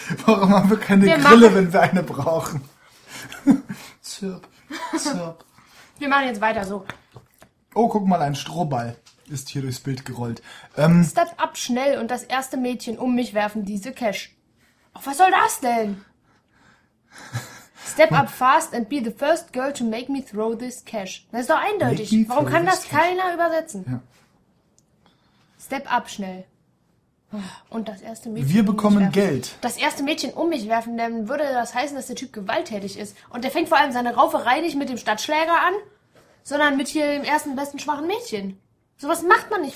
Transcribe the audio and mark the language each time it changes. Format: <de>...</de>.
<de>Warum haben wir keine Grille, wenn wir eine brauchen? Zirp, zirp. Wir machen jetzt weiter so. Oh, guck mal, ein Strohball ist hier durchs Bild gerollt.</de> <en>Step up</en> <de>schnell und das erste Mädchen um mich werfen diese Cash. Ach, was soll das denn?</de> <en>Step up fast and be the first girl to make me throw this cash.</en> <de>Das ist doch eindeutig. Warum kann das keiner übersetzen? Ja.</de> <en>Step up</en> <de>schnell. Und das erste Mädchen. Wir bekommen Geld. Das erste Mädchen um mich werfen, dann würde das heißen, dass der Typ gewalttätig ist. Und der fängt vor allem seine Rauferei nicht mit dem Stadtschläger an, sondern mit hier dem ersten besten schwachen Mädchen. Sowas macht man nicht.</de>